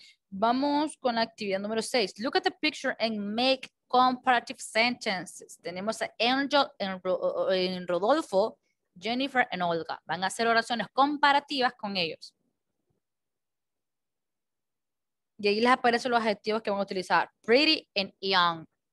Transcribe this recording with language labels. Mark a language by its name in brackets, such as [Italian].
[Spanish] Vamos con la actividad número 6. [English] Look at the picture and make comparative sentences. [Spanish] Tenemos a Angel en Rodolfo, Jennifer en Olga. Van a hacer oraciones comparativas con ellos. Y ahí les aparecen los adjetivos que van a utilizar. [English] Pretty and young.